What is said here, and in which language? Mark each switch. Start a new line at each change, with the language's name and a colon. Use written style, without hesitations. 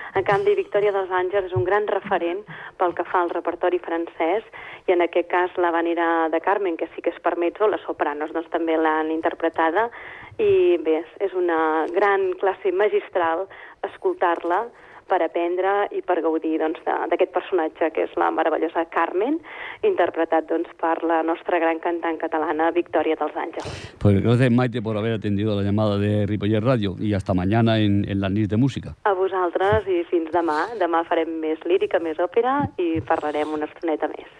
Catalan: En canvi, Victoria dels Àngels és un gran referent pel que fa al repertori francès i en aquest cas La Habanera de Carmen, que sí que és per mezzo, les sopranos doncs, també l'han interpretada i bé, és una gran classe magistral escoltar-la per aprendre i per gaudir doncs, d'aquest personatge que és la meravellosa Carmen, interpretat doncs, per la nostra gran cantant catalana Victoria dels Àngels.
Spanish: Pues gracias, Maite, por haber atendido la llamada de Ripollet Ràdio i hasta mañana en la nit de música.
Catalan: A vosaltres i fins demà. Demà farem més lírica, més òpera i parlarem una estoneta més.